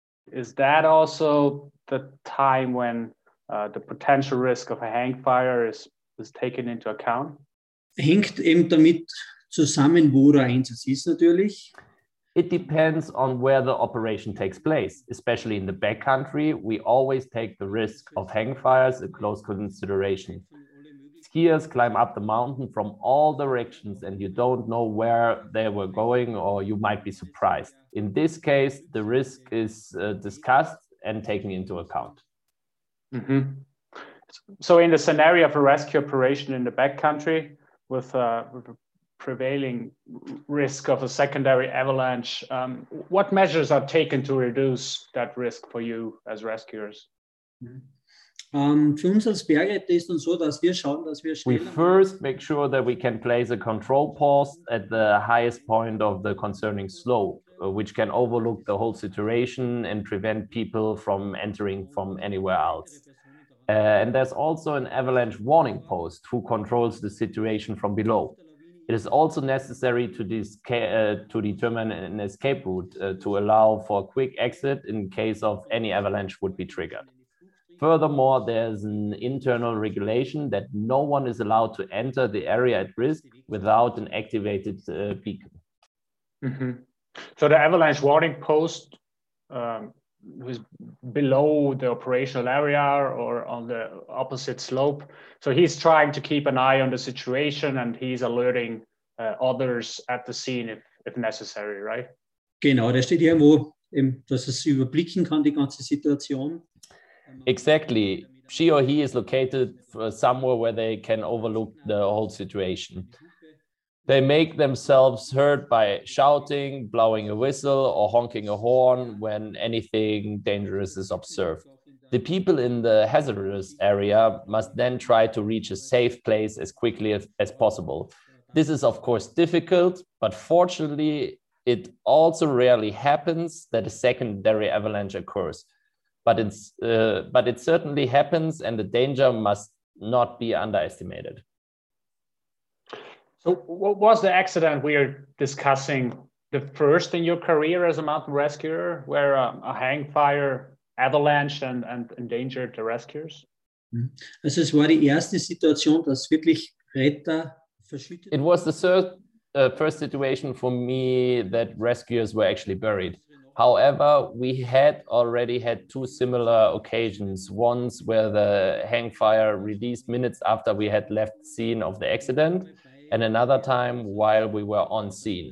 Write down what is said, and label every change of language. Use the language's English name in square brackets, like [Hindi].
[English] Is that also the time when the potential risk of a hang fire is taken into account? [German] Hängt eben damit zusammen, wo der Einsatz ist, natürlich. [English] It depends on where the operation takes place, especially in the backcountry. We always take the risk of hang fires a close consideration. Skiers climb up the mountain from all directions and you don't know where they were going or you might be surprised. In this case, the risk is discussed and taken into account. Mm-hmm. So in the scenario of a rescue operation in the backcountry with a prevailing risk of a secondary avalanche, what measures are taken to reduce that risk for you as rescuers? Mm-hmm. [German] Für uns als Bergretter ist dann so, dass wir schauen, dass wir schnell. [English] We first make sure that we can place a control post at the highest point of the concerning slope, which can overlook the whole situation and prevent people from entering from anywhere else. And there's also an avalanche warning post who controls the situation from below. It is also necessary to determine an escape route to allow for a quick exit in case of any avalanche would be triggered. Furthermore, there's an internal regulation that no one is allowed to enter the area at risk without an activated beacon. Mm-hmm. So the avalanche warning post is below the operational area or on the opposite slope. So he's trying to keep an eye on the situation and he's alerting others at the scene if necessary, right? [German] Genau, da steht irgendwo, dass es überblicken kann, die ganze Situation. [English] Exactly. She or he is located somewhere where they can overlook the whole situation. They make themselves heard by shouting, blowing a whistle, or honking a horn when anything dangerous is observed. The people in the hazardous area must then try to reach a safe place as quickly as possible. This is, of course, difficult, but fortunately, it also rarely happens that a secondary avalanche occurs. But it certainly happens and the danger must not be underestimated. So what was the accident we are discussing, the first in your career as a mountain rescuer where a hang fire avalanche and endangered the rescuers? [German] Also es war die erste Situation, dass wirklich Retter verschüttet. [English] It was the first situation for me that rescuers were actually buried. However, we had already had two similar occasions, once where the hang fire released minutes after we had left the scene of the accident, and another time while we were on scene.